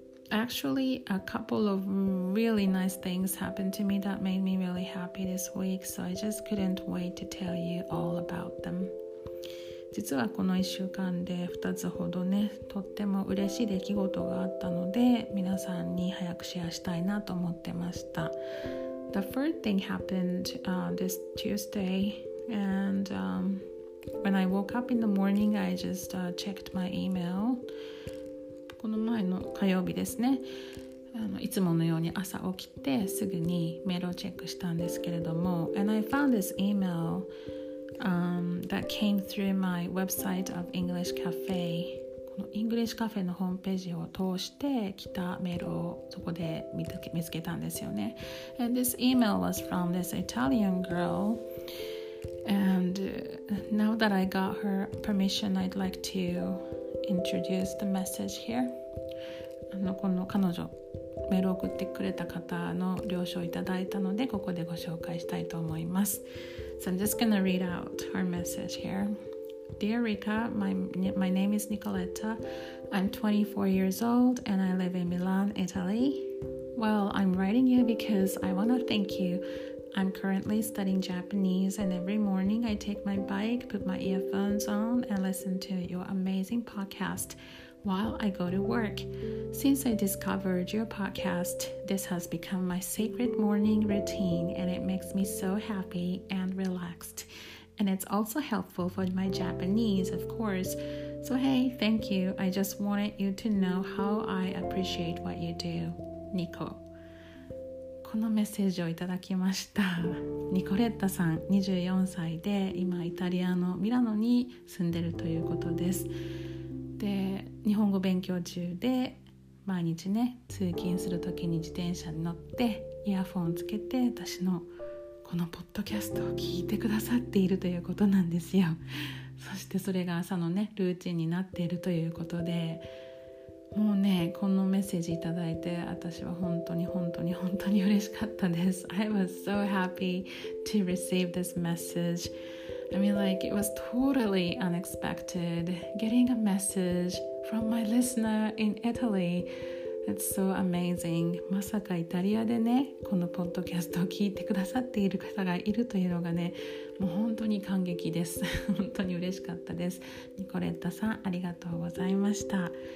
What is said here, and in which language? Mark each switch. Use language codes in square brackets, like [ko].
[en] Actually, a couple of really nice things happened to me that made me really happy this week, so I just couldn't wait to tell you all about them. [ja] 実はこの1週間で2つほどね、とっても嬉しい出来事があったので、皆さんに早くシェアしたいなと思ってました。 [en] The first thing happened this Tuesday. And when I woke up in the morning, I just checked my email. [ja] この前の火曜日ですね。いつものように朝起きてすぐにメールをチェックしたんですけれども。 [en] And I found this email that came through my website of English Cafe. [ja] この English Cafe のホームページを通して来たメールをそこで見つけたんですよね。 [en] And this email was from this Italian girl. And now that I got her permission, I'd like to introduce the message here. [ja] この彼女、メールを送ってくれた方の了承をいただいたので、ここでご紹介したいと思います。 [en] So I'm just gonna read out her message here. Dear Rika, my name is Nicoletta. I'm 24 years old and I live in Milan, Italy. Well, I'm writing you because I want to thank you. I'm currently studying Japanese and every morning I take my bike, put my earphones on and listen to your amazing podcast while I go to work. Since I discovered your podcast, this has become my sacred morning routine and it makes me so happy and relaxed. And it's also helpful for my Japanese, of course. So hey, thank you. I just wanted you to know how I appreciate what you do, Nico. [ja] このメッセージをいただきました。ニコレッタさん24歳で今イタリアのミラノに住んでるということです。で、日本語勉強中で毎日ね通勤するときに自転車に乗ってイヤフォンつけて私のこのポッドキャストを聞いてくださっているということなんですよ。そしてそれが朝のねルーチンになっているということで、もうね、このメッセージいただいて私は本当に本当に本当に嬉しかったです。 [en] I was so happy to receive this message. I mean like it was totally unexpected getting a message from my listener in Italy. That's so amazing. [ja] まさかイタリアでねこのポッドキャストを聞いてくださっている方がいるというのがね、もう本当に感激です。本当に嬉しかったです。ニコレッタさんありがとうございました。